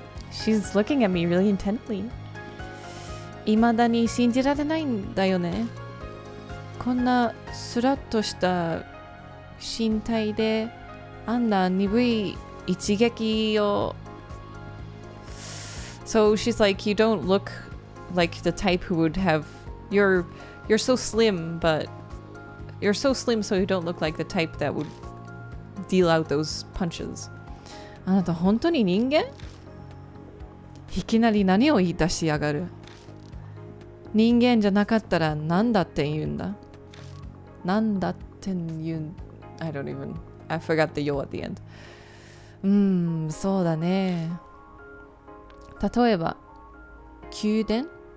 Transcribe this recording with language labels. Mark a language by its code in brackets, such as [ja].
[en] She's looking at me really intently. [ja] 未だに信じられないんだよね。こんなスラッとした身体であんな鈍い一撃を。 [en] So she's like, you don't look like the type who would have you're so slim, but you're so slim, so you don't look like the type that would deal out those punches. [ja] あなた本当に人間？いきなり何を言い出しやがる。人間じゃなかったら何だって言うんだ。何だって言う。 [en] I don't even. I forgot the yo at the end. [ja] そうだね。例えば、宮殿？